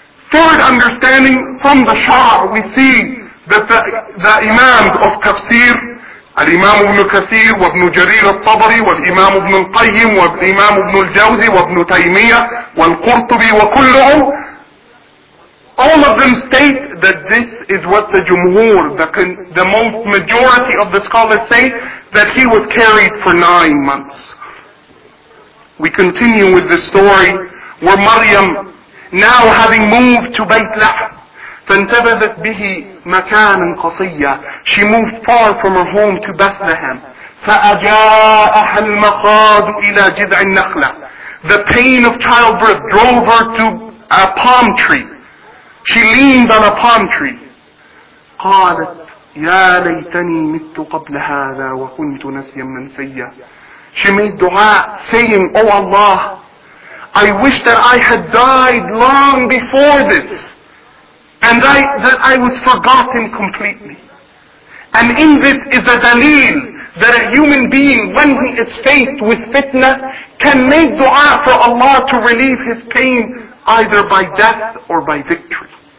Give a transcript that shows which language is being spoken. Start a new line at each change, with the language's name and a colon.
English: Third understanding, from the Shara, we see that the Imams of Tafsir, Al-Imam ibn Kathir, wa ibn Jarir al-Tabari, wa Imam ibn al-Qayyim, wa Imam ibn al-Jawzi, wa ibn Taymiyyah, wa al-Qurtubi, wa kulluhum, all of them state that this is what the Jumhur, the most majority of the scholars say, that he was carried for 9 months. We continue with the story where Maryam, now having moved to Bayt Lahm,
Arabic: فانتبذت به مكانا قصيا,
English: she moved far from her home to Bethlehem.
Arabic: فأجاءها المخاض إلى جذع النخلة.
English: The pain of childbirth drove her to a palm tree. She leaned on a palm tree.
Arabic: قالت يا ليتني مت قبل هذا وكنت نسيا منسيا.
English: She made dua saying, oh Allah, I wish that I had died long before this, and that I was forgotten completely. And in this is a dalil that a human being, when he is faced with fitna, can make dua for Allah to relieve his pain either by death or by victory.